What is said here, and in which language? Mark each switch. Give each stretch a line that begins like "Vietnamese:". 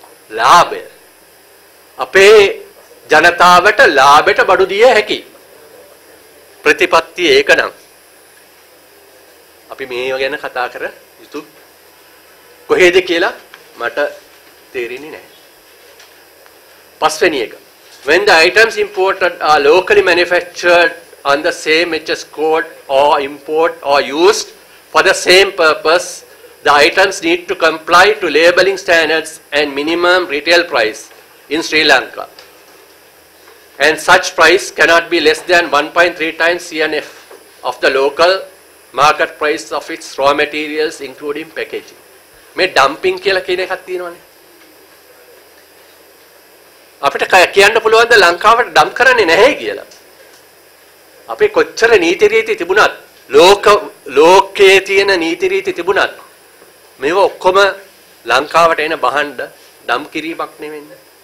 Sinhala: ලාභය අපේ ජනතාවට ලාභයට බඩු දිය හැකි ප්‍රතිපත්ති ඒකනම් අපි මේව ගැන කතා කර යුතු කොහෙද කියලා මට තේරෙන්නේ නැහැ. පස්වෙනි එක.
English: When the items imported are locally manufactured on the same HS code or import or used for the same purpose, the items need to comply to labeling standards and minimum retail price in Sri Lanka. And such price cannot be less than 1.3 times CNF of the local market price of its raw materials including packaging.
Sinhala: මේ dumping කියලා කියන එකක් තියෙනවානේ. අපිට කියන්න පුළුවන්ද ලංකාවට dump කරන්නේ නැහැ කියලා? අපි කොච්චර නීති රීති තිබුණත් ලෝකයේ තියෙන නීති රීති තිබුණත් මේව ඔක්කොම ලංකාවට එන බහණ්ඩ dump කිරීමක් නෙවෙයි.